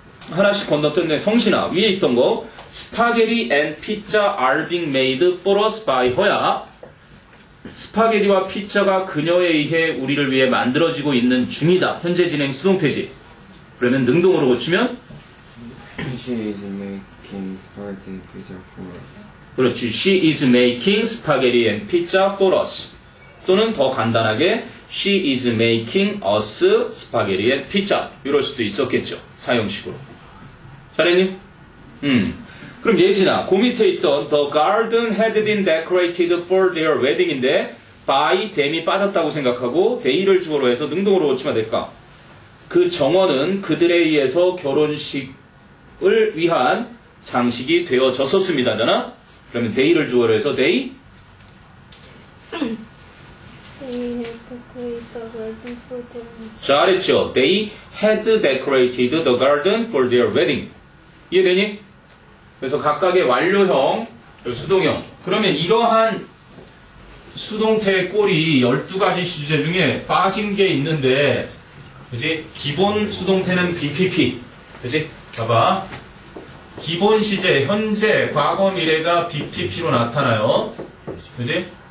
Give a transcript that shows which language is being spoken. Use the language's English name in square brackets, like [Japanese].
[Korean] 하나씩 건너뛰는데, 성신아, 위에 있던 거. [English] Spaghetti and pizza are being made for us by her야. [Korean] 스파게티와 피자가 그녀에 의해 우리를 위해 만들어지고 있는 중이다. 현재 진행 수동태지. 그러면 능동으로 고치면? [English] She is making spaghetti and pizza for us. [Korean] 그렇지. [English] She is making spaghetti and pizza for us. [Korean] 또는 더 간단하게 [English] She is making us spaghetti and pizza. [Korean] 이럴 수도 있었겠죠. 사용식으로. 잘했니? 그럼 예진아, 그 밑에 있던 [English] The garden had been decorated for their wedding [Korean] 인데 by them이 빠졌다고 생각하고 they를 주어로 해서 능동으로 고치면 될까? 그 정원은 그들에 의해서 결혼식을 위한 장식이 되어졌었습니다. 잖아? 그러면 they를 주어로 해서 they? [English] They had decorated the garden for their wedding. [Korean] 잘했죠. [English] They had decorated the garden for their wedding. [Korean] 이해되니? 그래서 각각의 완료형, 수동형. 그러면 이러한 수동태의 꼴이 12가지 시제 중에 빠진 게 있는데, 그지? 기본 수동태는 BPP. 그지? 봐봐. 기본 시제, 현재, 과거, 미래가 BPP로 나타나요. 그지?